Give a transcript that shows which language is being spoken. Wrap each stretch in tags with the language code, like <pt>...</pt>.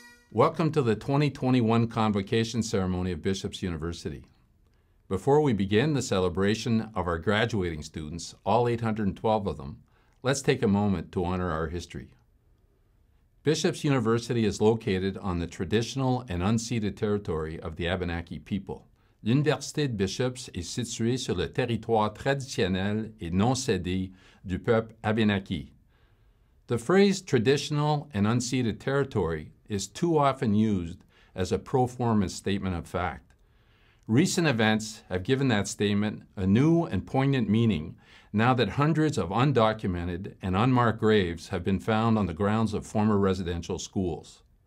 <en>Welcome to the 2021 Convocation Ceremony of Bishop's University. Before we begin the celebration of our graduating students, all 812 of them, let's take a moment to honor our history. Bishop's University is located on the traditional and unceded territory of the Abenaki people.</en> <fr>L'Université de Bishop's est située sur le territoire traditionnel et non cédé du peuple Abenaki.</fr> <en>The phrase traditional and unceded territory is too often used as a pro forma statement of fact. Recent events have given that statement a new and poignant meaning now that hundreds of undocumented and unmarked graves have been found on the grounds of former residential schools.</en>